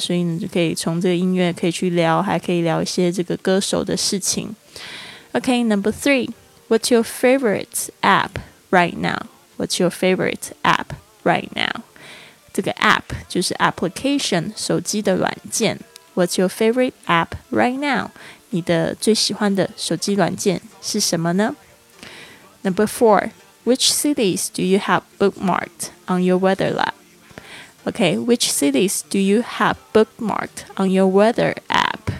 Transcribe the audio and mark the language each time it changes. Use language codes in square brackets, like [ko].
[zh] 所以你就可以从这个音乐可以去聊，还可以聊一些这个歌手的事情。 [en] OK, number three, what's your favorite appright now? What's your favorite app right now? [zh] 这个 app 就是 application, 手机的软件。 [en] What's your favorite app right now? [zh] 你的最喜欢的手机软件是什么呢？ [en] Number four, which cities do you have bookmarked on your weather app? OK, which cities do you have bookmarked on your weather app?